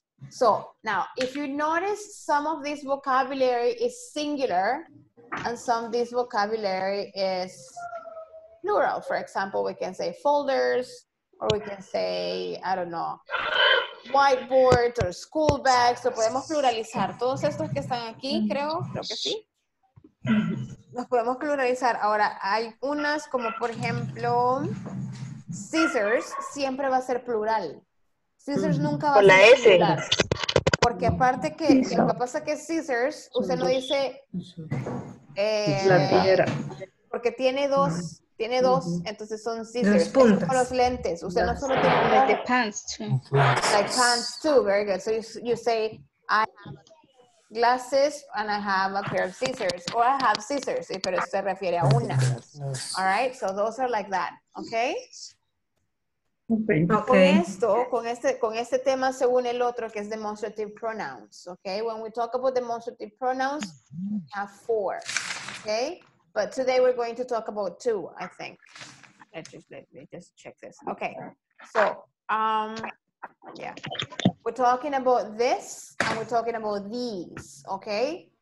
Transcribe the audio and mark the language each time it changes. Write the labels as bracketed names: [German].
[English] So, now, if you notice, some of this vocabulary is singular and some of this vocabulary is plural. For example, we can say folders or we can say, I don't know, whiteboard or school bags, [Spanish] lo podemos pluralizar. Todos estos que están aquí, creo que sí. Los podemos pluralizar. Ahora, hay unas como, por ejemplo, scissors, siempre va a ser plural. Scissors nunca va a ser plural. Porque aparte que, lo que pasa es que scissors, usted no dice... la tijera. Porque tiene dos, entonces son scissors. Con los lentes. Usted no solo tiene [English] like the pants too. Like pants too, very good. So you say, I have glasses and I have a pair of scissors. Or I have scissors, [Spanish] pero se refiere a una. [English] All right, so those are like that, okay? Okay. [Spanish] Con esto, con este tema se une el otro que es demonstrative pronouns, okay? [English] When we talk about demonstrative pronouns, we have four, okay? But today we're going to talk about two, I think. Let me just check this. Okay. So, yeah. We're talking about this and we're talking about these, okay?